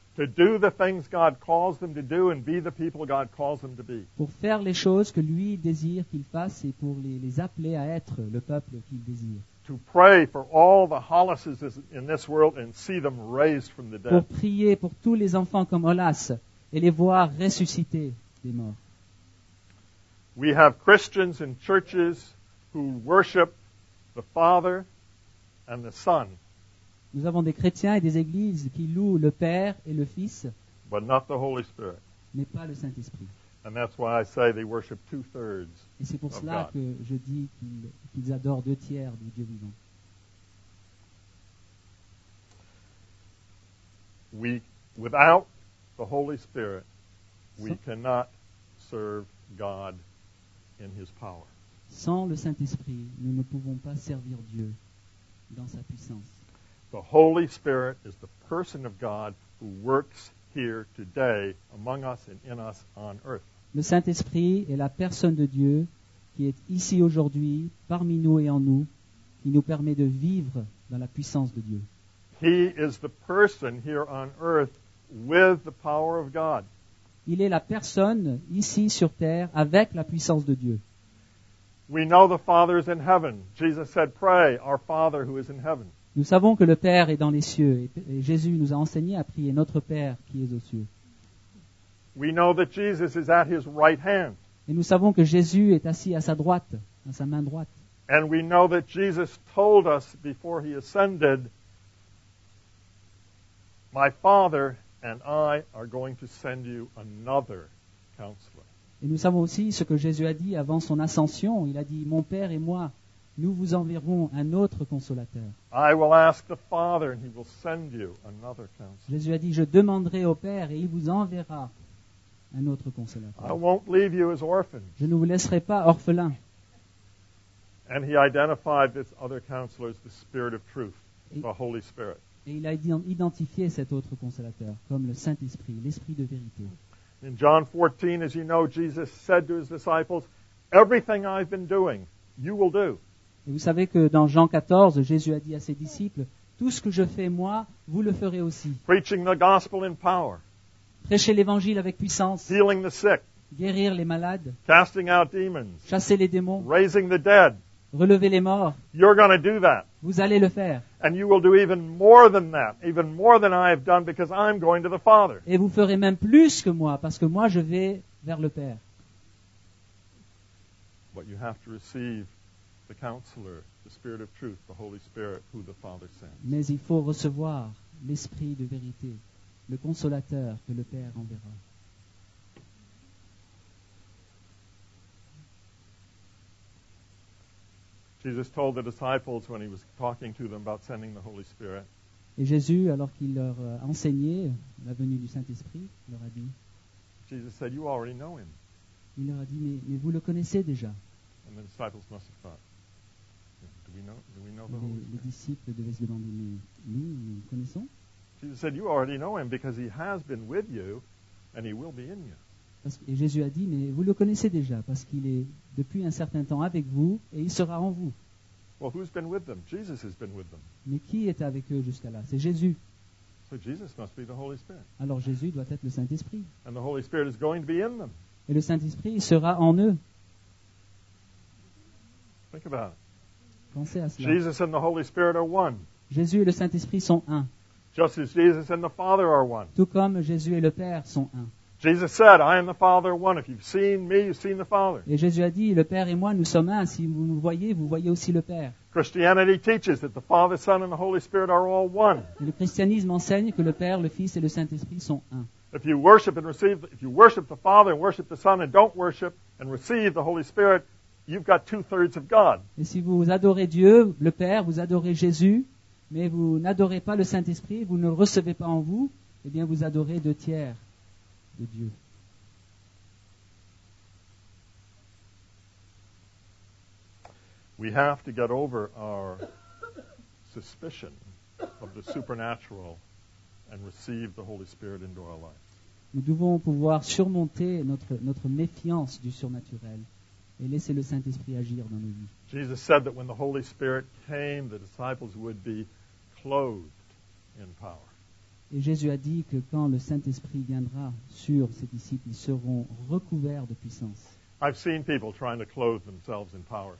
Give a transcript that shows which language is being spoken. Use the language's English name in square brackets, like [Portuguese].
[English] To do the things God calls them to do and be the people God calls them to be. [French] Pour faire les choses que lui désire qu'il fasse et pour les appeler à être le peuple qu'il désire. [English] To pray for all the Hollises in this world and see them raised from the dead. [French] Pour prier pour tous les enfants comme Hollas et les voir ressuscités des morts. [English] We have Christians in churches who worship the Father and the Son. [French] Nous avons des chrétiens et des églises qui louent le Père et le Fils, [English] but not the Holy Spirit. [French] Mais pas le Saint-Esprit. [English] And that's why I say they worship two-thirds of God. [French] Et c'est pour cela que je dis qu'ils adorent deux tiers du Dieu vivant. [English] Without the Holy Spirit, we cannot serve God in his power. [French] Sans le Saint-Esprit, nous ne pouvons pas servir Dieu dans sa puissance. [English] The Holy Spirit is the person of God who works here today among us and in us on earth. [French] Le Saint-Esprit est la personne de Dieu qui est ici aujourd'hui parmi nous et en nous, qui nous permet de vivre dans la puissance de Dieu. [English] He is the person here on earth with the power of God. [French] Il est la personne ici sur terre avec la puissance de Dieu. [English] We know the Father is in heaven. Jesus said, "Pray, our Father who is in heaven." [French] Nous savons que le Père est dans les cieux et Jésus nous a enseigné à prier notre Père qui est aux cieux. [English] We know that Jesus is at his right hand. [French] Et nous savons que Jésus est assis à sa droite, à sa main droite. [English] And we know that Jesus told us before he ascended, "My Father and I are going to send you another counselor." [French] Et nous savons aussi ce que Jésus a dit avant son ascension. Il a dit, "Mon Père et moi, nous vous enverrons un autre consolateur." [English] I will ask the Father and he will send you another counselor. [French] Jésus a dit, "Je demanderai au Père et il vous enverra un autre consolateur." [English] I won't leave you as orphans. [French] Je ne vous laisserai pas orphelins. [English] And he identified this other counselor as the Spirit of Truth, the Holy Spirit. [French] Et il a identifié cet autre consolateur comme le Saint-Esprit, l'Esprit de vérité. [English] In John 14, as you know, Jesus said to his disciples, "Everything I've been doing, you will do." [French] Et vous savez que dans Jean 14, Jésus a dit à ses disciples, tout ce que je fais moi, vous le ferez aussi. [English] Preaching the gospel in power. [French] Prêcher l'évangile avec puissance. [English] Healing the sick. [French] Guérir les malades. [English] Casting out demons. [French] Chasser les démons. [English] Raising the dead. [French] Relever les morts. [English] You're going to do that. [French] Vous allez le faire. [English] And you will do even more than that, even more than I have done, because I'm going to the Father. [French] Et vous ferez même plus que moi, parce que moi je vais vers le Père. [English] But you have to receive the Counselor, the Spirit of Truth, the Holy Spirit, who the Father sends. [French] Mais il faut recevoir l'Esprit de vérité, le Consolateur que le Père enverra. [English] Jesus told the disciples when he was talking to them about sending the Holy Spirit. [French] Et Jésus, alors qu'il leur enseignait la venue du Saint-Esprit, leur a dit. [English] Jesus said, "You already know him." [French] Il leur a dit, mais vous le connaissez déjà. [English] And the disciples must have thought, do we know the Holy Spirit? [French] Les disciples devaient se demander, mais nous, nous le connaissons? [English] Jesus said, "You already know him because he has been with you, and he will be in you." [French] Et Jésus a dit, mais vous le connaissez déjà, parce qu'il est depuis un certain temps avec vous, et il sera en vous. [English] Well, who's been with them? Jesus has been with them. [French] Mais qui était avec eux jusqu'à là? C'est Jésus. [English] So Jesus must be the Holy Spirit. [French] Alors Jésus doit être le Saint-Esprit. [English] And the Holy Spirit is going to be in them. [French] Et le Saint-Esprit sera en eux. [English] Think about it. [French] Pensez à cela. [English] Jesus and the Holy Spirit are one. [French] Jésus et le Saint-Esprit sont un. [English] Just as Jesus and the Father are one. [French] Tout comme Jésus et le Père sont un. [English] Jesus said, "I am the Father one. If you've seen me, you've seen the Father." [French] Et Jésus a dit, le Père et moi, nous sommes un. Si vous nous voyez, vous voyez aussi le Père. [English] Christianity teaches that the Father, Son, and the Holy Spirit are all one. [French] Et le christianisme enseigne que le Père, le Fils et le Saint-Esprit sont un. [English] If you worship and receive, if you worship the Father and worship the Son and don't worship and receive the Holy Spirit, you've got two-thirds of God. [French] Et si vous adorez Dieu, le Père, vous adorez Jésus, mais vous n'adorez pas le Saint-Esprit, vous ne le recevez pas en vous, eh bien vous adorez deux tiers. Dieu. [English] We have to get over our suspicion of the supernatural and receive the Holy Spirit into our lives. [French] Nous devons pouvoir surmonter notre méfiance du surnaturel et laisser le Saint-Esprit agir dans nos vies. [English] Jesus said that when the Holy Spirit came, the disciples would be clothed in power. [French] Et Jésus a dit que quand le Saint-Esprit viendra sur ses disciples, ils seront recouverts de puissance. [English] I've seen people trying to clothe themselves in power.